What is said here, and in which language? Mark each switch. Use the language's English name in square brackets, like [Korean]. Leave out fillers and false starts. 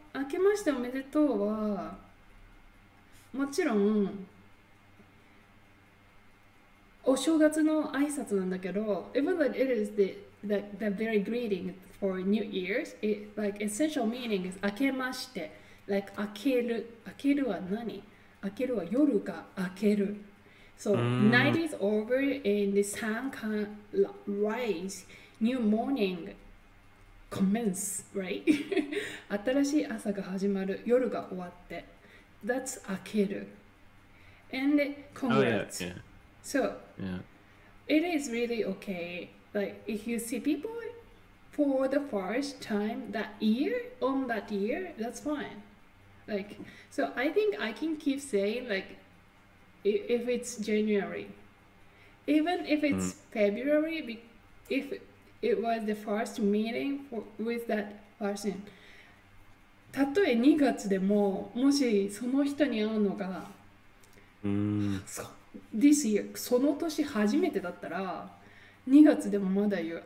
[Japanese] あけましておめでとうはもちろんお正月の挨拶なんだけど、 [English] even though it is the very greeting for New Year's, it like essential meaning is [Japanese] あけまして、 like あける、あけるは何、あけるは夜があける。 [English] So night is over and the sun can rise, new morningcommence, right? [Japanese] 新しい朝が始まる、夜が終わって。 [English] That's 明ける。And congrats. Oh, yeah. Yeah. So, yeah. It is really okay. Like, if you see people for the first time that year, on that year, that's fine. Like, so I think I can keep saying, like, if it's January. Even if it's February, if... It was the first meeting with that person. [Japanese] たとえ2月でも、もしその人に会うのが、 [English] this year、 [Japanese] その年初めてだったら、2月でもまだ言う。